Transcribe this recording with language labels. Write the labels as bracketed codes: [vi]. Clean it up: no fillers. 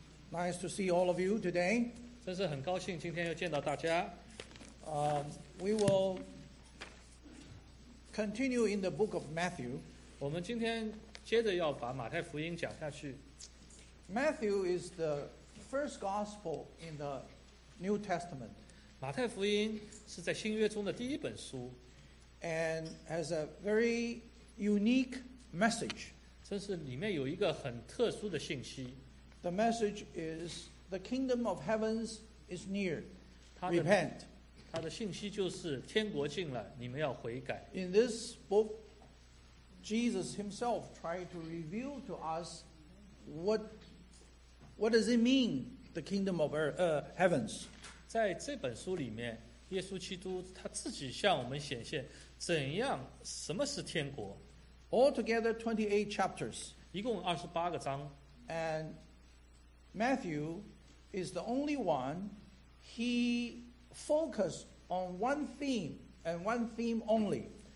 [en] Nice to see all of you today. [zh] 真是很高兴今天又见到大家。 [en] We will continue in the book of Matthew. [zh] 我们今天接着要把马太福音讲下去。 [en] Matthew is the first gospel in the New Testament. [zh] 马太福音是在新约中的第一本书。 [en] And has a very unique message. [zh] 真是里面有一个很特殊的信息。 [en] The message is, the kingdom of heavens is near. Repent. [zh] 他的信息就是天国近了，你们要悔改。 [en] In this book, Jesus himself tried to reveal to us what does it mean, the kingdom of heavens. [zh] 在这本书里面, 耶稣基督他自己向我们显现怎样什么是天国。 [en] Altogether 28 chapters. [zh] 一共28个章。 [en] And Matthew is the only one, he focused on one theme and one theme only.